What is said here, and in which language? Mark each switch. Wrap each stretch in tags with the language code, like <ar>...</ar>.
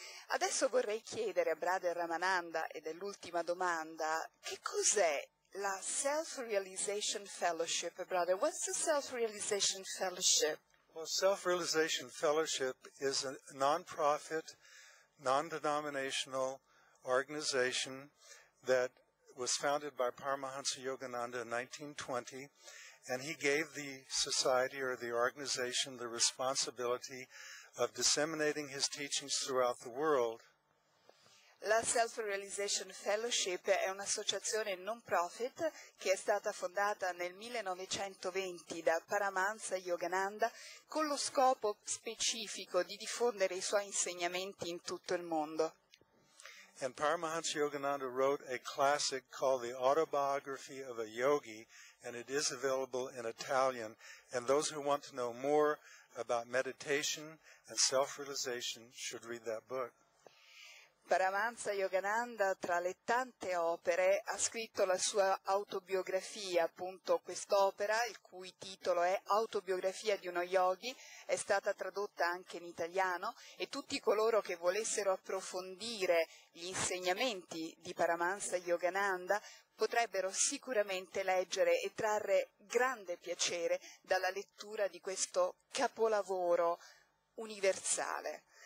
<it>Adesso vorrei chiedere a Brother Ramananda, ed è l'ultima domanda, che cos'è la Self-Realization Fellowship, brother?</it> <en>What's the Self-Realization Fellowship? Well, Self-Realization Fellowship is a non-profit, non-denominational organization that was founded by Paramahansa Yogananda in 1920, and he gave the society or the organization the responsibility of disseminating his teachings throughout the world.</en> <it>La Self-Realization Fellowship è un'associazione non profit che è stata fondata nel 1920 da Paramahansa Yogananda con lo scopo specifico di diffondere i suoi insegnamenti in tutto il mondo.</it> <en>And Paramahansa Yogananda wrote a classic called The Autobiography of a Yogi, and it is available in Italian. And those who want to know more about meditation and self-realization should read that book.</en> <it>Paramahansa Yogananda, tra le tante opere, ha scritto la sua autobiografia, appunto quest'opera, il cui titolo è Autobiografia di uno yogi, è stata tradotta anche in italiano, e tutti coloro che volessero approfondire gli insegnamenti di Paramahansa Yogananda potrebbero sicuramente leggere e trarre grande piacere dalla lettura di questo capolavoro universale.</it>